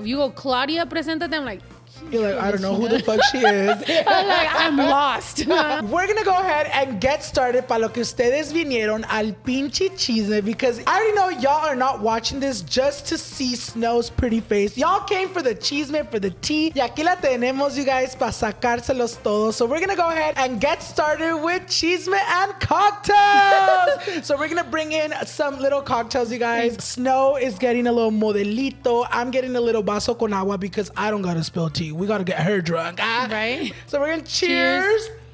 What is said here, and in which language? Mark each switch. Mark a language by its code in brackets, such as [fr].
[en] If you go Claudia, [es] preséntate, [en] I'm like, you're like, I don't know who the fuck she is. I'm like, I'm lost. We're gonna go ahead and get started [es] pa lo que ustedes vinieron al pinche chisme [en] because I already know y'all are not watching this just to see Snow's pretty face. Y'all came for the chisme, for the tea. [es] Y aquí la tenemos, [en] you guys, [es] pa sacárselos todos. [en] So we're gonna go ahead and get started with chisme and cocktails. So we're gonna bring in some little cocktails, you guys. Snow is getting a little modelito. I'm getting a little [es] vaso con agua [en] because I don't gotta spill tea. We gotta get her drunk. Right? So we're gonna cheers.